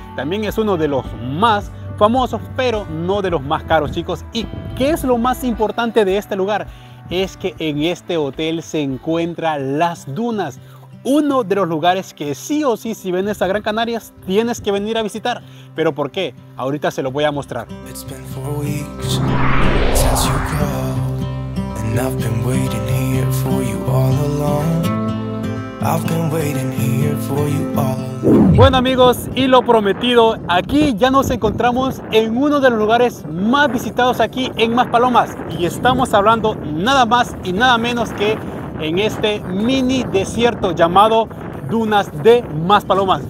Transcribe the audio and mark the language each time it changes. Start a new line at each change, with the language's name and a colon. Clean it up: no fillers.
Spanish: También es uno de los más famosos, pero no de los más caros, chicos. ¿Y qué es lo más importante de este lugar? Es que en este hotel se encuentra Las Dunas, uno de los lugares que sí o sí, si vienes a Gran Canarias, tienes que venir a visitar. ¿Pero por qué? Ahorita se lo voy a mostrar.
English: It's been 4 weeks since you called, and I've been waiting here for you all along. I've been waiting here for you all.
Spanish: Bueno amigos, y lo prometido, aquí ya nos encontramos en uno de los lugares más visitados aquí en Maspalomas, y estamos hablando nada más y nada menos que en este mini desierto llamado Dunas de Maspalomas.